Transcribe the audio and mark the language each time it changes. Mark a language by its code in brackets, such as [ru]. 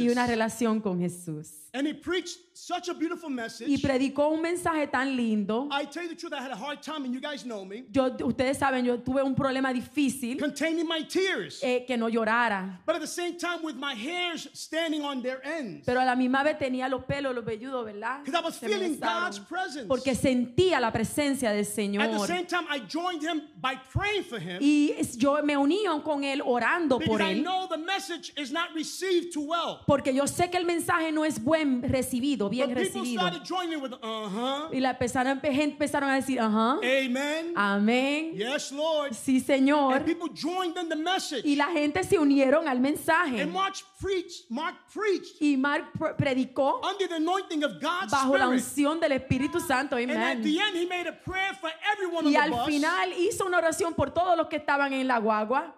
[es] Y una relación con Jesús. [en] And he preached such a beautiful message. [es] Y predicó un mensaje tan lindo. [en] I tell you the truth, I had a hard time, and you guys know me. [es] Yo, ustedes saben, yo tuve un problema difícil. [en] Containing my tears. [es] Que no llorara. [en] But at the same time, with my hairs standing on their ends. [es] Pero a la misma vez tenía los pelos, los velludos, ¿verdad? [en] Because I was feeling God's presence. [es] Porque sentía la presencia del Señor. [en] At the same time, I joined him by praying for him. [es] Y yo me uní con él orando por él. [en] Because I know the message is not received too well. [es] Porque yo sé que el mensaje no es bueno. Recibido, bien recibido. Y la persona empezaron a decir, amén. Amén. [en] Yes, Lord. [es] Sí, Señor. [en] And people joined in the message. [es] Y la gente se unió. unieron al mensaje. [en] And Mark preached [es] y Mark predicó [en] under the anointing of God's [es] bajo [en] Spirit. [es] La unción del Espíritu Santo. Amen. [en] And at the end he made a prayer for everyone on the [es] bus. Y al final hizo una oración por todos los que estaban en la guagua.